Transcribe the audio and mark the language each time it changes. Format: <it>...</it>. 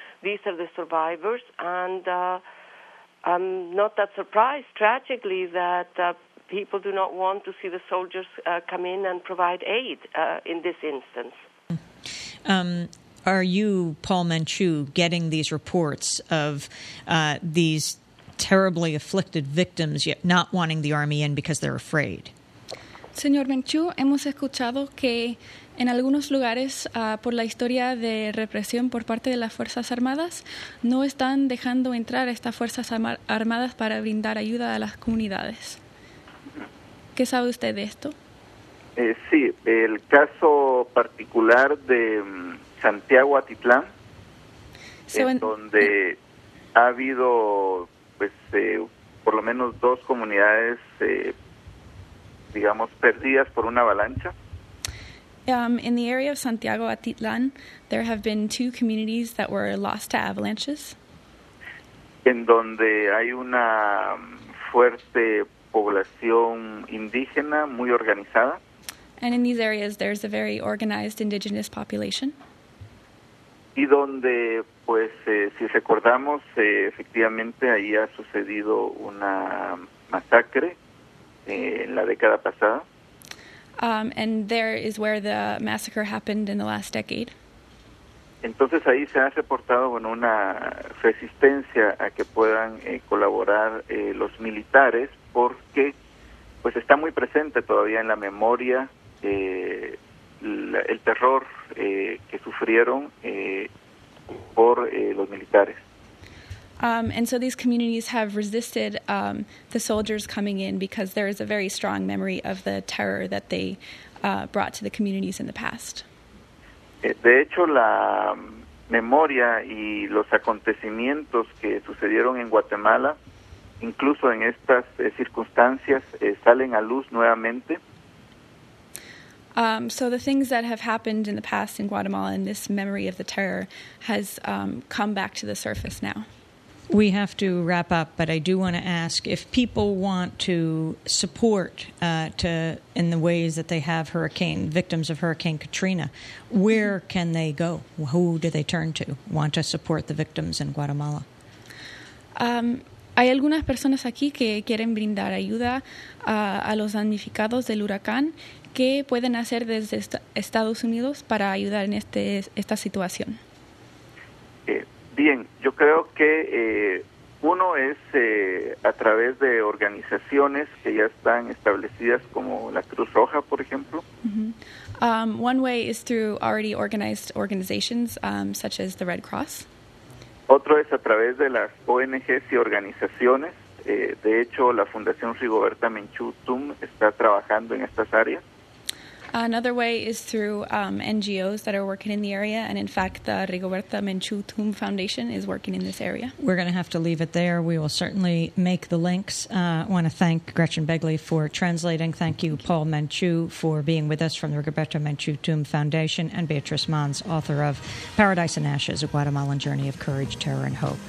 <en>These are the survivors. And I'm not that surprised, tragically, that people do not want to see the soldiers come in and provide aid in this instance. Are you, Paul Menchú, getting these reports of these terribly afflicted victims yet not wanting the army in because they're afraid?</en> <es>Señor Menchú, hemos escuchado que en algunos lugares, por la historia de represión por parte de las Fuerzas Armadas, no están dejando entrar a estas Fuerzas Armadas para brindar ayuda a las comunidades. ¿Qué sabe usted de esto? Sí, el caso particular de Santiago Atitlán, donde ha habido por lo menos dos comunidades, digamos, perdidas por una avalancha.</es> <en>In the area of Santiago Atitlán, there have been two communities that were lost to avalanches.</en> <es>En donde hay una fuerte población indígena muy organizada.</es> <en>And in these areas, there's a very organized indigenous population.</en> <es>Y donde, pues, si recordamos, efectivamente ahí ha sucedido una masacre en la década pasada.</es> <en>And there is where the massacre happened in the last decade.</en> <es>Entonces ahí se ha reportado, bueno, una resistencia a que puedan colaborar los militares porque, pues, está muy presente todavía en la memoria el terror que sufrieron por los militares.</es> <en>And so these communities have resisted the soldiers coming in because there is a very strong memory of the terror that they brought to the communities in the past.</en> <es>De hecho, la memoria y los acontecimientos que sucedieron en Guatemala, incluso en estas circunstancias, salen a luz nuevamente.</es> <en>So the things that have happened in the past in Guatemala and this memory of the terror has come back to the surface now. We have to wrap up, but I do want to ask if people want to support in the ways that they have hurricane victims of Hurricane Katrina, where can they go? Who do they turn to? Want to support the victims in Guatemala?</en> <es>Hay algunas personas aquí que quieren brindar ayuda a los damnificados del huracán. ¿Qué pueden hacer desde Estados Unidos para ayudar en esta situación? Bien, yo creo que uno es a través de organizaciones que ya están establecidas como la Cruz Roja, por ejemplo.</es> <en>Mm-hmm. One way is through already organized organizations such as the Red Cross.</en> <es>Otro es a través de las ONGs y organizaciones. De hecho, la Fundación Rigoberta Menchú Tum está trabajando en estas áreas.</es> <en>Another way is through NGOs that are working in the area, and in fact, the Rigoberta Menchú Tomb Foundation is working in this area. We're going to have to leave it there. We will certainly make the links. I want to thank Gretchen Begley for translating. Thank you, Paul Menchú, for being with us from the Rigoberta Menchú Tomb Foundation, and Beatrice Mons, author of Paradise and Ashes, A Guatemalan Journey of Courage, Terror, and Hope.</en>